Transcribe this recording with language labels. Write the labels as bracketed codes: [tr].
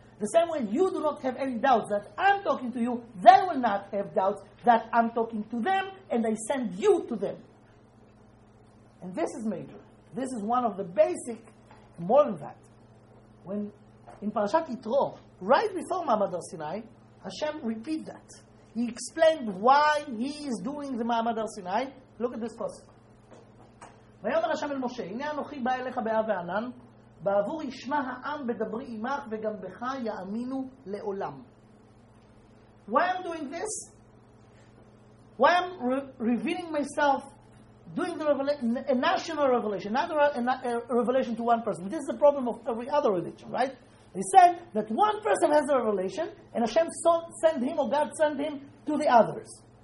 [en] The same way you do not have any doubts that I'm talking to you, they will not have doubts that I'm talking to them, and I send you to them. And this is major. This is one of the basic, more than that. When in Parashat Yitro, right before Mamad Har Sinai, Hashem repeats that. He explained why he is doing the Mamad Har Sinai. Look at this passage. [he] ויאמר השם אל משה, הנה אנוכי בא אליך באב וענן, בעבור ישמע העם בדברי עמך וגם בך יאמינו לעולם. [en] Why I'm doing this? Why I'm revealing myself, doing the revelation, a national revelation, not a revelation to one person. This is the problem of every other religion, right? They said that one person has the revelation, and Hashem sent him, or God sent him, to the others.